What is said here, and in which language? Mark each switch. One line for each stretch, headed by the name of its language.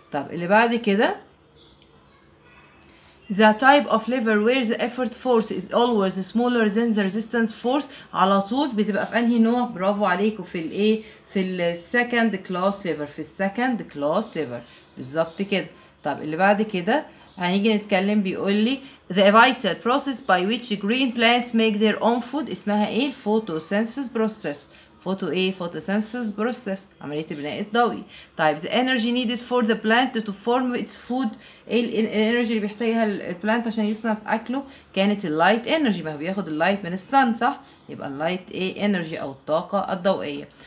Arabic: طب اللي بعد كده:
English: the type of liver where the effort force is always smaller than the resistance force.
Arabic: على طول بتبقى في انهي نوع؟ برافو عليكم. في الايه؟ في السكند كلاس ليفر. في السكند كلاس ليفر بالظبط كده. طب اللي بعد كده هنيجي نتكلم. بيقول لي:
English: the vital process by which green plants make their own food
Arabic: اسمها ايه؟
English: photosynthesis process.
Arabic: photosynthesis process عملية البناء الضوئي. طيب
English: the energy needed for the plant to form its food.
Arabic: الانرجي اللي بيحتاجها البلانت عشان يصنع اكله كانت اللايت انرجي. ما هو بياخد اللايت من السن صح؟ يبقى اللايت ايه؟ انرجي او الطاقة الضوئية.